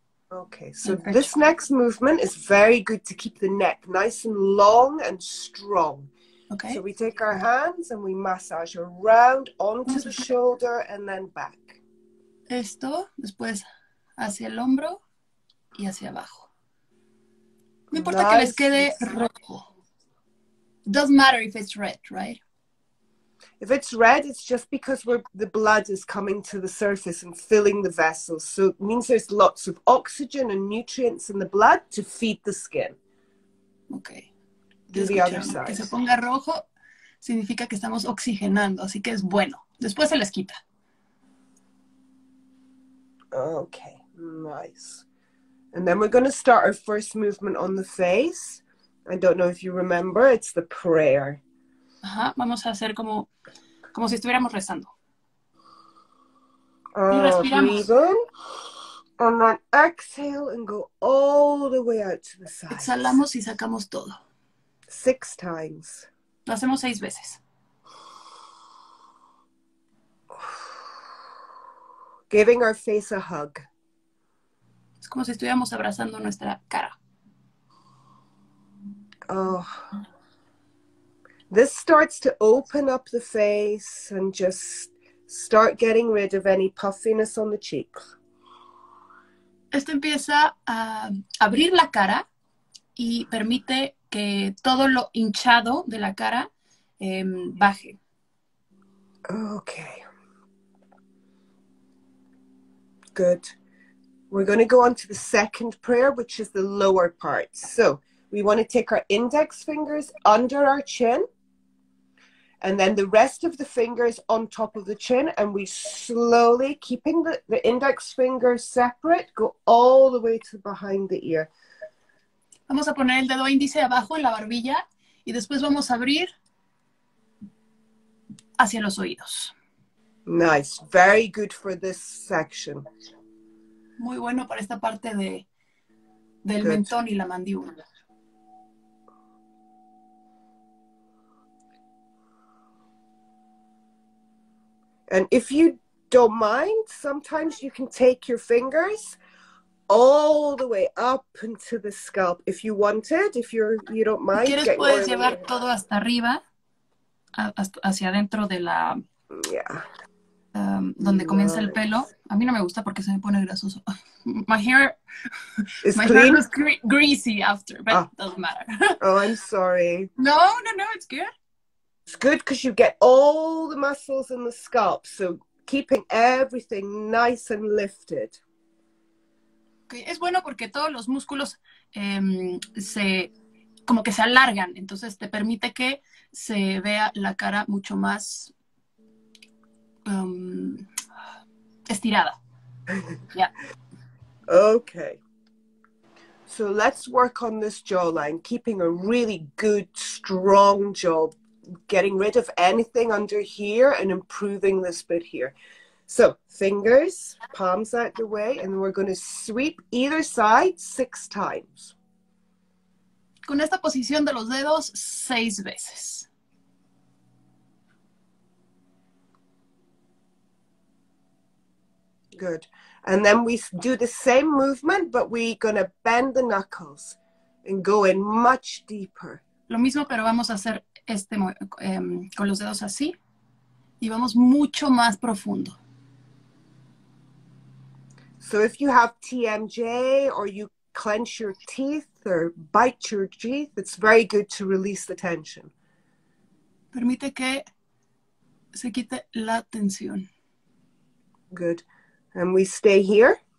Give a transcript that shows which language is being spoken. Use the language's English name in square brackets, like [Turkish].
[English] Okay, so this next movement is very good to keep the neck nice and long and strong. Okay. So we take our hands and we massage around onto the shoulder and then back. [Spanish] Esto, después hacia el hombro y hacia abajo. No importa que les quede rojo. [English] Doesn't matter if it's red, right? If it's red, it's just because the blood is coming to the surface and filling the vessels. So it means there's lots of oxygen and nutrients in the blood to feed the skin. Okay. Do the other side. [Spanish] Que se ponga rojo significa que estamos oxigenando, así que es bueno. Después se les quita. [English] Okay, nice. And then we're going to start our first movement on the face. I don't know if you remember, it's the prayer. [Spanish] Ajá, vamos a hacer como, como si estuviéramos rezando. [English] Breathe in, and then exhale and go all the way out to the sides. [Spanish] Exhalamos y sacamos todo. [English] 6 times. [Spanish] Lo hacemos 6 veces. [English] Giving our face a hug. [Spanish] Es como si estuviéramos abrazando nuestra cara. Oh. [English] This starts to open up the face and just start getting rid of any puffiness on the cheeks. [Spanish] Esto empieza a abrir la cara y permite que todo lo hinchado de la cara baje. [English] Okay. Good. We're going to go on to the second prayer, which is the lower part. So we want to take our index fingers under our chin. And then the rest of the fingers on top of the chin, and we slowly, keeping the index fingers separate, go all the way to behind the ear. [Spanish] Vamos a poner el dedo índice abajo en la barbilla, y después vamos a abrir hacia los oídos. [English] Nice. Very good for this section. [Spanish] Muy bueno para esta parte de, del good. Mentón y la mandíbula. [English] And if you don't mind, sometimes you can take your fingers all the way up into the scalp if you want it. If you're, you don't mind. [Spanish] Si quieres, puedes llevar todo hasta arriba, hacia adentro de la, donde nice. Comienza el pelo. A mí no me gusta porque se me pone grasoso. [English] My hair was greasy after, but it doesn't matter. Oh, I'm sorry. No, it's good. It's good because you get all the muscles in the scalp, so keeping everything nice and lifted. [Spanish] Okay, es bueno porque todos los músculos se alargan, entonces te permite que se vea la cara mucho más estirada. [English] Yeah. Okay. So let's work on this jawline, keeping a really good, strong jaw. Getting rid of anything under here and improving this bit here. So fingers, palms out the way, and we're going to sweep either side 6 times. [Spanish] Con esta posición de los dedos, 6 veces. [English] Good. And then we do the same movement, but we're going to bend the knuckles and go in much deeper. [Spanish] Lo mismo, pero vamos a hacer este con los dedos así y vamos mucho más profundo. [English] So if you have TMJ or you clench your teeth or bite your teeth, it's very good to release the tension. [Spanish] Permite que se quite la tensión. [English] Good. And we stay here.